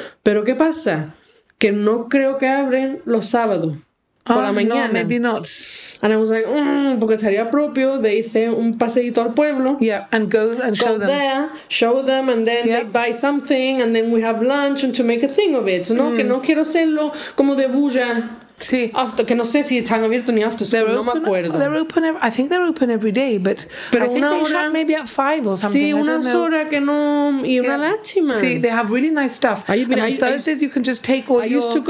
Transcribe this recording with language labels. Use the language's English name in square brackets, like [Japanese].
[Spanish] Pero ¿qué pasa? Que no creo que abren los sábados. Oh, la mañana. [English] No, maybe not. And I was like, [Spanish] porque sería propio de irse un paseíto al pueblo. [English] Yeah, and go show them, and then they buy something, and then we have lunch, and to make a thing of it, ¿no? [Spanish] Mm. Que no quiero hacerlo como de bulla. Sí. After, que no sé si están abiertos ni [English] after school, [Spanish] no me acuerdo. [English] I think they're open every day, but [Spanish] pero [English] I think they shut maybe at 5 or something. [Spanish] Sí, una hora que no... Y una lástima. [English] Sí, they have really nice stuff. Thursdays, you can just take all your stuff.